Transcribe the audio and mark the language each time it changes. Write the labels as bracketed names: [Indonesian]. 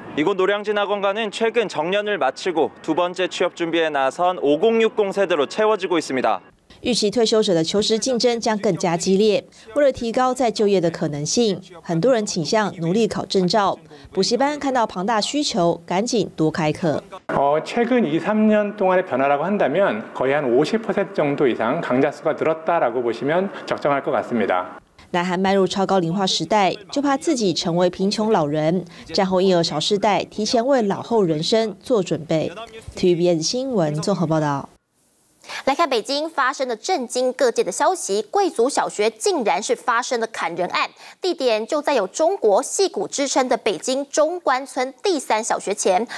[Korean] 이곳노량진학원가는최근정년을마치고두번째취업준비에나선5060세대로채워지고있습니다 [Chinese] 预期退休者的求职竞争将更加激烈。为了提高再就业的可能性，很多人倾向努力考证照。补习班看到庞大需求，赶紧多开课。 [Korean] 최근 2-3 년동안의변화라고한다면거의한 50% 정도이상강좌수가늘었다라고보시면적정할것같습니다 [Chinese] 南韩迈入超高龄化时代，就怕自己成为贫穷老人。战后婴儿潮世代，提前为老后人生做准备。 TVBS 新闻综合报道。来看北京发生的震惊各界的消息，贵族小学竟然是发生了砍人案，地点就在有中国戏骨之称的北京中关村第三小学前。